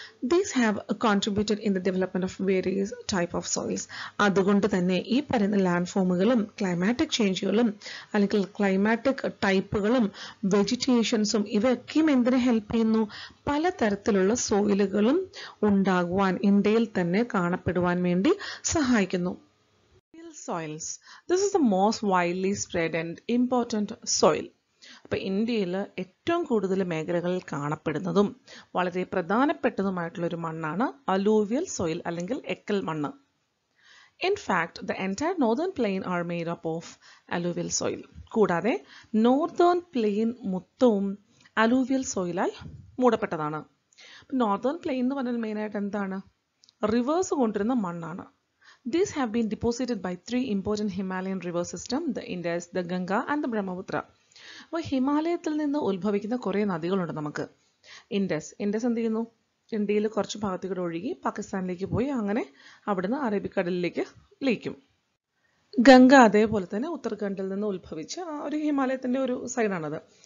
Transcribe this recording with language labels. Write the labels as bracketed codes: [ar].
[en] These have contributed in the development of various type of soils. [ml] അതുകൊണ്ട് തന്നെ ഈ പറയുന്ന ലാൻഡ് ഫോമുകളും ക്ലൈമാറ്റിക് ചേഞ്ചുകളും അല്ലെങ്കിൽ ക്ലൈമാറ്റിക് ടൈപ്പുകളും വെജിറ്റേഷൻസും ഇവയൊക്കെയും എന്തിനെ ഹെൽപ്പ് ചെയ്യുന്നു, പലതരത്തിലുള്ള സോയിലുകളും ഉണ്ടാകുവാൻ ഇന്ത്യയിൽ തന്നെ കാണപ്പെടുവാൻ വേണ്ടി സഹായിക്കുന്നു. [en] Soils. This is the most widely spread and important soil. [ml] അപ്പോൾ ഇന്ത്യയിൽ ഏറ്റവും കൂടുതൽ മേഖലകളിൽ കാണപ്പെടുന്നതും വളരെ പ്രധാനപ്പെട്ടതുമായിട്ടുള്ളൊരു മണ്ണാണ് അലൂവിയൽ സോയിൽ അല്ലെങ്കിൽ എക്കൽ മണ്ണ്. [en] In fact the entire northern plain are made up of alluvial soil. [ml] കൂടാതെ നോർദേൺ പ്ലെയിൻ മൊത്തവും അലൂവിയൽ സോയിലായി മൂടപ്പെട്ടതാണ്. നോർദേൺ പ്ലെയിൻ എന്ന് പറഞ്ഞാൽ മെയിനായിട്ട് എന്താണ്, റിവേഴ്സ് കൊണ്ടിരുന്ന മണ്ണാണ്. [en] These have been deposited by three important Himalayan river system, the Indus, the Ganga and the Brahmaputra. [ml] അപ്പോൾ ഹിമാലയത്തിൽ നിന്ന് ഉത്ഭവിക്കുന്ന കുറേ നദികളുണ്ട് നമുക്ക്. ഇൻഡസ്, ഇൻഡസ് എന്ത് ചെയ്യുന്നു, ഇന്ത്യയിൽ കുറച്ച് ഭാഗത്ത് കൂടെ ഒഴുകി പാകിസ്ഥാനിലേക്ക് പോയി അങ്ങനെ അവിടുന്ന് അറബിക്കടലിലേക്ക് ലയിക്കും. ഗംഗ അതേപോലെ തന്നെ ഉത്തരാഖണ്ഡിൽ നിന്ന് ഉത്ഭവിച്ച ഒരു ഹിമാലയത്തിൻ്റെ ഒരു സൈഡാണത്.